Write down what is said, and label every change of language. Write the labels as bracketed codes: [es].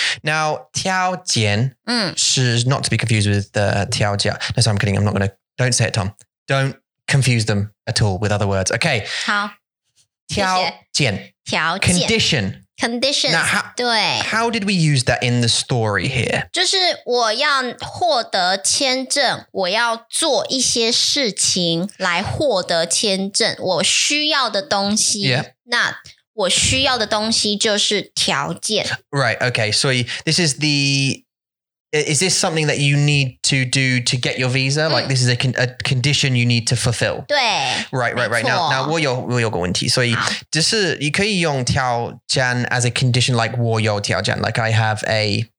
[en] Now, 条件是 not to be confused with 条件。No, sorry, I'm kidding. I'm not going to... Don't say it, Tom. Don't confuse them at all with other words. Okay. [zh] 好。条件。条件。 [en] Condition. Conditions. 那 how, 对。 How did we use that in the story here? [zh] 就是我要获得签证,我要做一些事情来获得签证,我需要的东西。 [en] Yeah. [zh] 那我需要的东西就是条件。 [en] Right, okay. So this is the... Is this something that you need to do to get your visa? Like this is a condition you need to fulfill. [zh] 对。 [en] Right, right, right. Now [zh] 我有个问题。所以只是你可以用条件 [en] as a condition like [zh] 我有条件。 [en] Like I have a...